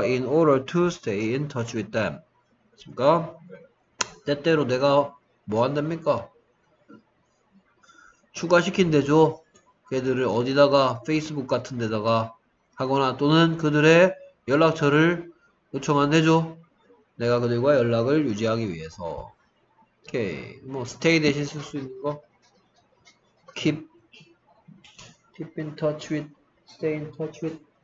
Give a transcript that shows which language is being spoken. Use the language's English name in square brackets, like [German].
[English] In order to stay in touch with them [Korean] 됐습니까? 때때로 내가 뭐 한답니까? 추가시킨 대죠. 걔들을 어디다가 페이스북 같은 데다가 하거나 또는 그들의 연락처를 요청한 대죠. 내가 그들과 연락을 유지하기 위해서. 오케이. 뭐 stay 대신 쓸 수 있는 거. [English] keep in touch with, stay in touch with.